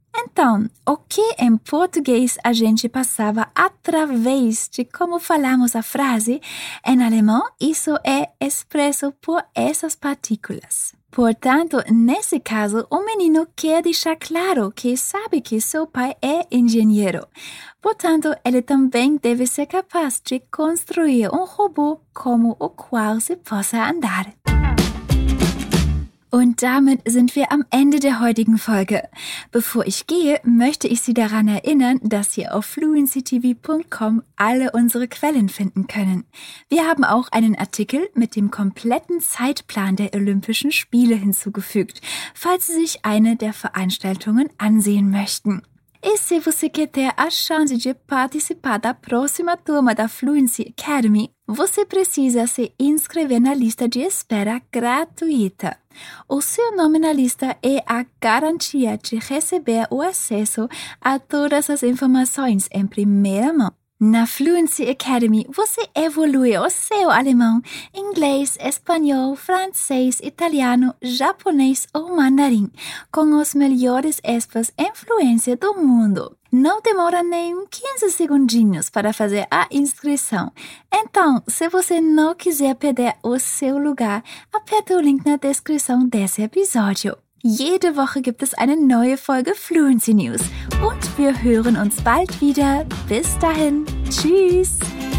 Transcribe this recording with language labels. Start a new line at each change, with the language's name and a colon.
Portuguese: Então, o que em português a gente passava através de como falamos a frase, em alemão isso é expresso por essas partículas. Portanto, nesse caso, o menino quer deixar claro que sabe que seu pai é engenheiro. Portanto, ele também deve ser capaz de construir um robô como o qual se possa andar.
German: Und damit sind wir am Ende der heutigen Folge. Bevor ich gehe, möchte ich Sie daran erinnern, dass Sie auf fluencytv.com alle unsere Quellen finden können. Wir haben auch einen Artikel mit dem kompletten Zeitplan der Olympischen Spiele hinzugefügt, falls Sie sich eine der Veranstaltungen ansehen möchten.
Portuguese: E se você quer ter a chance de participar da próxima turma da Fluency Academy, você precisa se inscrever na lista de espera gratuita. O seu nome na lista é a garantia de receber o acesso a todas as informações em primeira mão. Na Fluency Academy, você evolui o seu alemão, inglês, espanhol, francês, italiano, japonês ou mandarim, com os melhores experts em fluência do mundo. Não demora nem 15 segundinhos para fazer a inscrição. Então, se você não quiser perder o seu lugar, aperta o link na descrição desse episódio.
German: Jede Woche gibt es eine neue Folge Fluency News. Und wir hören uns bald wieder. Bis dahin. Tschüss.